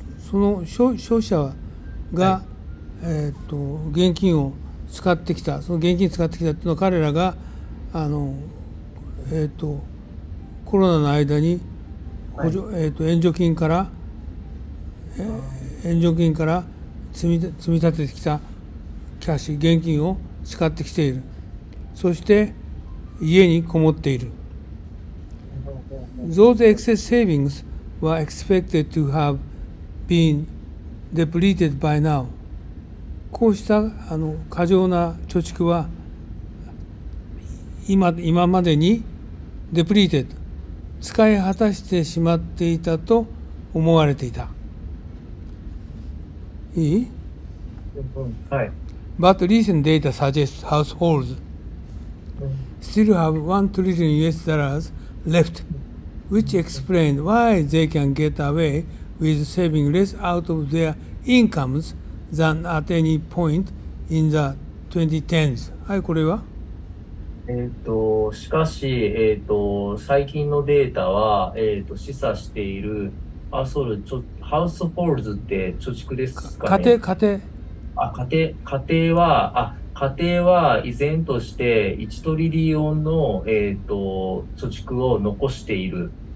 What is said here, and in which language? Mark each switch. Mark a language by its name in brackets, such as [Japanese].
[Japanese] その消費者が、はい、現金を使ってきた、その現金を使ってきたというのは、彼らがあの、コロナの間に補助、はい、援助金から、援助金から積み立ててきたキャッシュ、現金を使ってきている、そして家にこもっている。 [English] Those excess savingsWere expected to have been depleted by now. [Japanese] こうしたあの過剰な貯蓄は今までに depleted、 使い果たしてしまっていたと思われていた。いい？はい。 [English] But recent data suggests households still have $1 trillion left. Which explained why they can get away with saving less out of their incomes than at any point in the 2010s. [Japanese] はい、これは？しかし、最近のデータは、示唆している、あ、そう、ハウスホールズって貯蓄ですかね？家庭。あ、家庭は、あ、家庭は依然として1トリリオンの、貯蓄を残している。